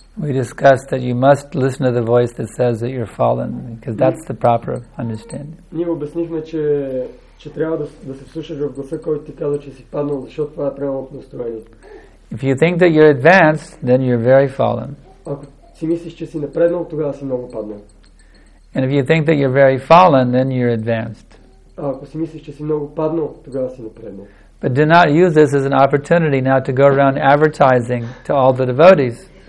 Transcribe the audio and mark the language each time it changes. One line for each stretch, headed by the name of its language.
English: We discussed that you must listen to the voice that says that you're fallen, because that's the proper understanding.
Bulgarian: Ние обяснихме, че трябва да се вслушаш в гласа, който ти казва, че си паднал, защото това е правилното настроение.
English: If you think that you're advanced, then you're very fallen.
Bulgarian: Ако си мислиш, че си напреднал, тогава си много паднал.
English: And if you think that you're very fallen, then you're advanced.
Bulgarian: Ако си мислиш, че си много паднал, тогава си напреднал.
English: But do not use this as an opportunity now to go around advertising to all the devotees.